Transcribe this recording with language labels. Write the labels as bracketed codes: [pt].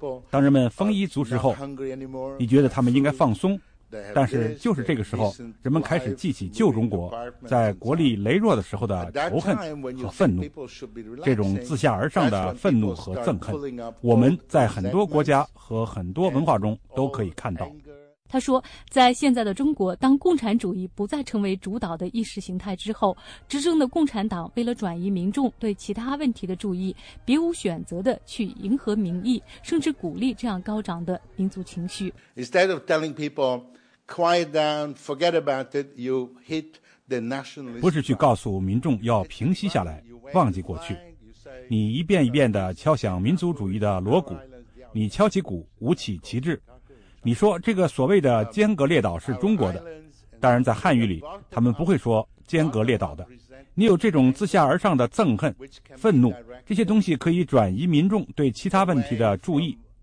[zh] 当人们丰衣足食后，你觉得他们应该放松，但是就是这个时候，人们开始记起旧中国在国力羸弱的时候的仇恨和愤怒，这种自下而上的愤怒和憎恨，我们在很多国家和很多文化中都可以看到。他说，在现在的中国，当共产主义不再成为主导的意识形态之后，执政的共产党为了转移民众对其他问题的注意，别无选择地去迎合民意，甚至鼓励这样高涨的民族情绪。 [en] Instead of telling people, quiet down, forget about it, you hit the nationalist. [zh] 不是去告诉民众要平息下来，忘记过去，你一遍一遍地敲响民族主义的锣鼓，你敲起鼓，舞起旗帜，你说这个所谓的尖阁列岛是中国的。当然在汉语里他们不会说尖阁列岛的。你有这种自下而上的憎恨、愤怒，这些东西可以转移民众对其他问题的注意。